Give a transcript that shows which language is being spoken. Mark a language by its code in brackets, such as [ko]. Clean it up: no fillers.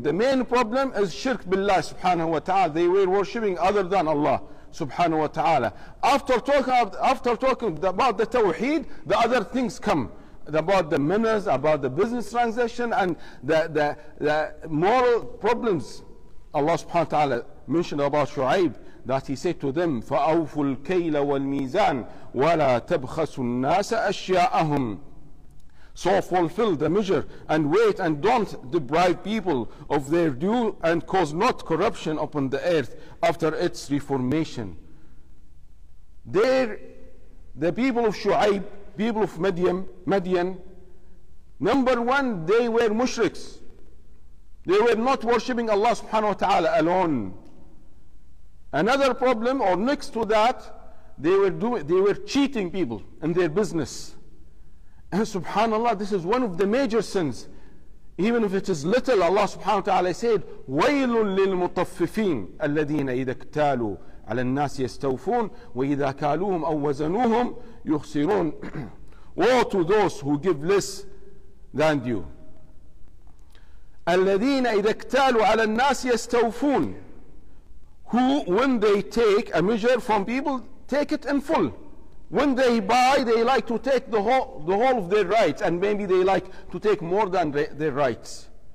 [en] The main problem is shirk billah subhanahu wa ta'ala. They were worshipping other than Allah subhanahu wa ta'ala. After talking about the tawheed, the other things come. About the manners, about the business transaction, and the moral problems Allah subhanahu wa ta'ala mentioned about Shu'aib. that he said to them, [ar] فَأَوْفُ الْكَيْلَ وَالْمِيزَانِ وَلَا تَبْخَسُ النَّاسَ أَشْيَاءَهُمْ. [en] So fulfill the measure and weight, and don't deprive people of their due, and cause not corruption upon the earth after its reformation. There, the people of Shu'aib, people of Midian, number one, they were mushriks. They were not worshipping Allah subhanahu wa ta'ala alone. Another problem, or next to that, they were cheating people in their business. And subhanAllah, this is one of the major sins. Even if it is little, Allah subhanahu wa ta'ala said, [ar] وَيْلٌ لِلْمُطَفِّفِينَ الَّذِينَ إِذَا اكْتَالُوا عَلَى النَّاسِ يَسْتَوْفُونَ وَإِذَا كَالُوهُمْ أَوْ وَزَنُوهُمْ يُخْسِرُونَ. [en] Woe to those who give less than you. [ar] الَّذِينَ إِذَا اكْتَالُوا عَلَى النَّاسِ يَسْتَوْفُونَ. [en] Who, when they take a measure from people, take it in full. When they buy, they like to take the whole of their rights, and maybe they like to take more than their rights.